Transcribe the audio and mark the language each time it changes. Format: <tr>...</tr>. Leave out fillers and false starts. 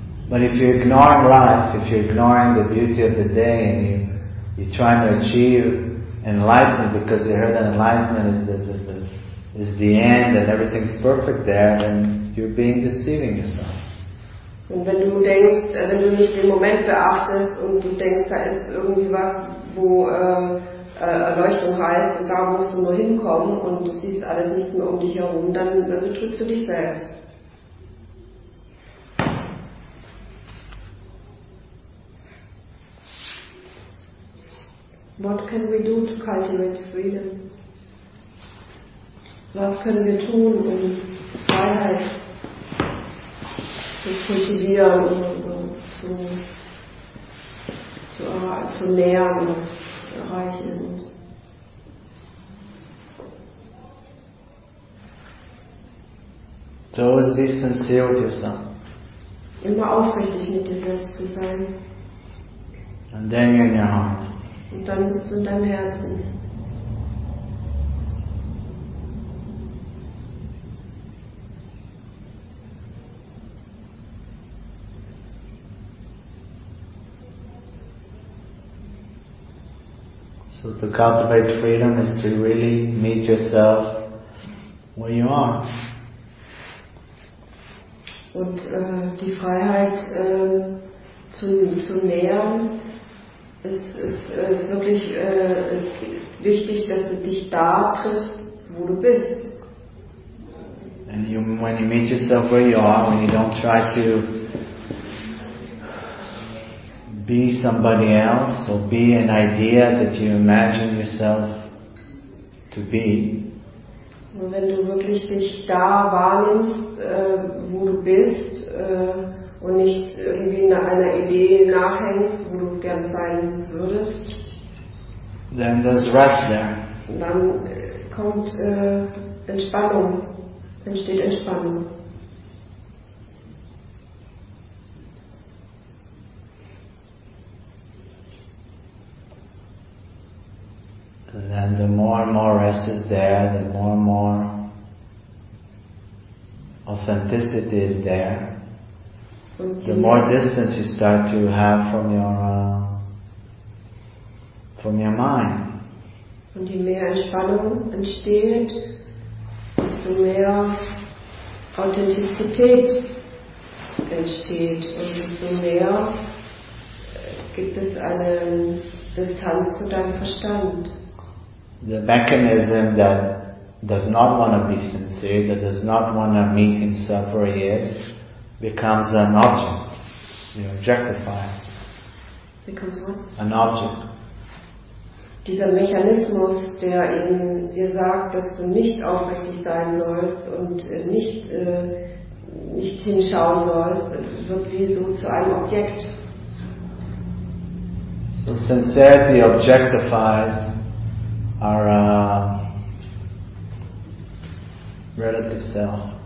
<en>But if you're ignoring life, if you're ignoring the beauty of the day and you're trying to achieve enlightenment because you heard that enlightenment is the end and everything's perfect there, then you're being deceiving yourself.</en> <de>Und wenn du denkst, wenn du nicht den Moment beachtest und du denkst, da ist irgendwie was, wo Erleuchtung heißt, und da musst du nur hinkommen und du siehst alles nicht mehr um dich herum, dann betrügst du dich selbst.</de> <en>What can we do to cultivate freedom?</en> <de>Was können wir tun, um Freiheit zu kultivieren oder zu nähern oder zu erreichen?</de> <en>So always be sincere with yourself.</en> <de>Immer aufrichtig mit dir selbst zu sein.</de> <en>And then you're in your heart.</en> <de>Und dann bist du in deinem Herzen.</de> <en>So to cultivate freedom is to really meet yourself where you are.</en> <de>Und die Freiheit zu nähern, ist wirklich wichtig, dass du dich da triffst, wo du bist.</de> <en>And you, when you meet yourself where you are, when you don't try to be somebody else or be an idea that you imagine yourself to be.</en> <de>Also wenn du wirklich dich da wahrnimmst, wo du bist, und nicht irgendwie einer Idee nachhängst, wo du gern sein würdest.</de> <en>then there's rest there.</en> <de>Dann kommt Entspannung, entsteht Entspannung.</de> <en>And the more and more rest is there, the more and more authenticity is there. The more distance you start to have from your mind.</en> <de>Und je mehr Entspannung entsteht, desto mehr Authentizität entsteht und desto mehr gibt es eine Distanz zu deinem Verstand.</de> <en>The mechanism that does not want to be sincere, that does not want to meet himself for years, becomes an object, you know, objectifier. Becomes what? An object.</en> <de>Dieser Mechanismus, der eben dir sagt, dass du nicht aufrichtig sein sollst und nicht hinschauen sollst, wird wie so zu einem Objekt.</de> <en>So sincerity objectifies our relative self.</en>